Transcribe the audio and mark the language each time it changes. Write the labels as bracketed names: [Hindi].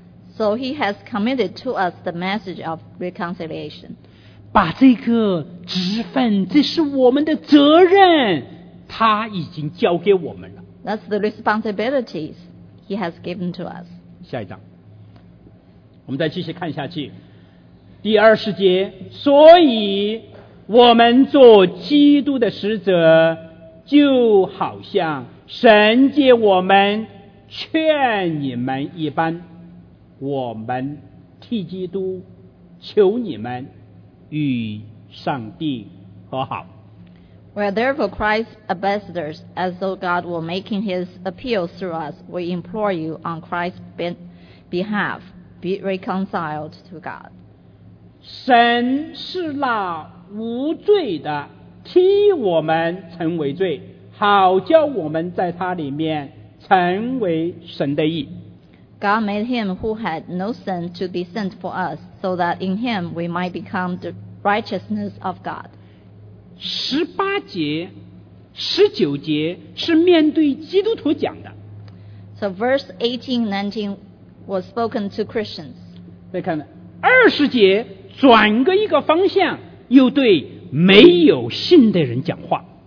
[English] So he has committed to us the message of reconciliation. [Chinese] 把这个职分，这是我们的责任，他已经交给我们了。 [English] That's the responsibilities he has given to us. [Chinese] 下一章，我们再继续看下去。第二十节，所以我们做基督的使者，就好像神借我们劝你们一般，我们替基督求你们与上帝和好。 [English] We are therefore Christ's ambassadors, as though God were making his appeal through us, we implore you on Christ's behalf, be reconciled to God. [Chinese] 神是那无罪的，替我们成为罪，好叫我们在他里面成为神的义。 [English] God made him who had no sin to be sin for us, so that in him we might become the righteousness of God. [Chinese] 十八节、十九节是面对基督徒讲的。 [English] So verse 18-19 was spoken to Christians. [Chinese] 再看看二十节，转个一个方向，又对没有信的人讲话。